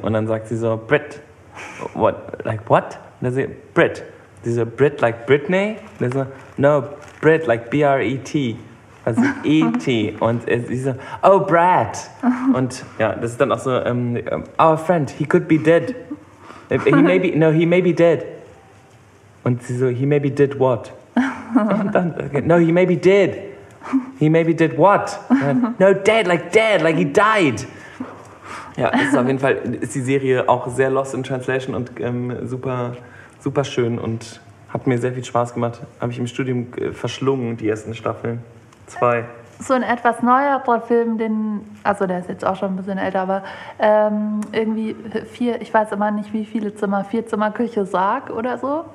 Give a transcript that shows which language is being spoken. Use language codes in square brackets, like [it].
[de] Und dann sagt sie so Brett. [en] What? Like what? [de] Und er sagt Brett. Sie so Brett [en] like Britney? [de] Und er so [en] no, Brett like B-R-E-T. [de] Also E-T. Und sie so, oh Brad. Und ja, das ist dann auch so, [en] our friend, he could be dead. He may be dead. [de] Und sie so, [en] he maybe did what? [de] Und dann, [en] okay, no, he maybe did. He maybe did what? No, dead, like he died. [de] Ja, das ist auf jeden Fall, ist die Serie auch sehr lost in translation und super, super schön und hat mir sehr viel Spaß gemacht. Habe ich im Studium verschlungen, die ersten Staffeln. Zwei. So ein etwas neuerer Film, der ist jetzt auch schon ein bisschen älter, aber irgendwie vier, ich weiß immer nicht, wie viele Zimmer, vier Zimmer, Küche, Sarg oder so.